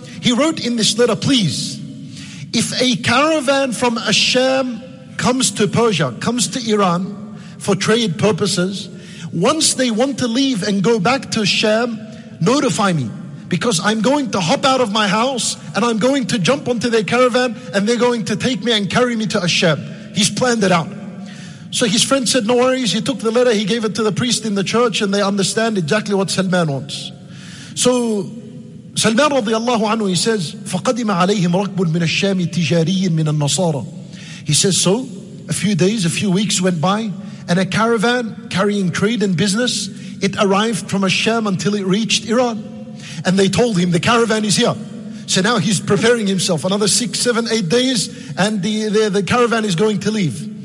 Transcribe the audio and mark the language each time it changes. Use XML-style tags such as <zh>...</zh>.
<en>He wrote in this letter, please, if a caravan from Asham comes to Persia, comes to Iran for trade purposes, once they want to leave and go back to Asham, notify me. Because I'm going to hop out of my house and I'm going to jump onto their caravan and they're going to take me and carry me to Asham. He's planned it out. So his friend said, no worries. He took the letter, he gave it to the priest in the church and they understand exactly what Salman wants. So Salman radiallahu anhu, he says,</en> <ar>فَقَدِمَ عَلَيْهِمْ رَكْبٌ مِنَ الشَّامِ تِجَارِيٍ مِنَ النَّصَارَى.</ar> <en>He says, so a few days, a few weeks went by and a caravan carrying trade and business, it arrived from Asham until it reached Iran. And they told him, the caravan is here. So now he's preparing himself. Another 6, 7, 8 days, and the caravan is going to leave.</en>